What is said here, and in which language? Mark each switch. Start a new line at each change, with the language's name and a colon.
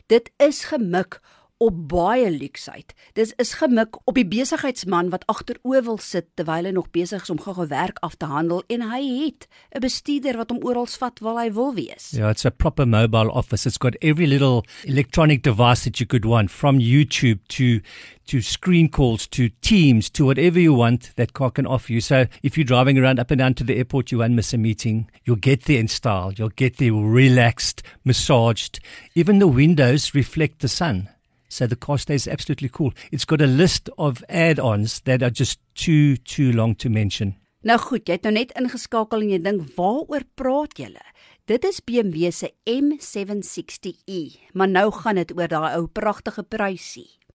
Afrikaans: Dit is gemik op baie luksheid. Dit is gemik op die besigheidsman wat agteroe wil sit terwyl hy nog besig is om gou werk af te handel en hy het 'n bestuurder wat hom oral vat waar hy wil wees.
English: Yeah, it's a proper mobile office. It's got every little electronic device that you could want, from YouTube to screen calls to Teams to whatever you want that car can offer you. So if you're driving around up and down to the airport, you won't miss a meeting. You'll get there in style. You'll get there relaxed, massaged. Even the windows reflect the sun. So the car stays absolutely cool. It's got a list of add-ons that are just too long to mention.
Afrikaans: Nou goed, jy het nou net ingeskakel en jy dink, waaroor praat julle? Dit is BMW se M760i, maar nou gaan dit oor daai ou pragtige prysie.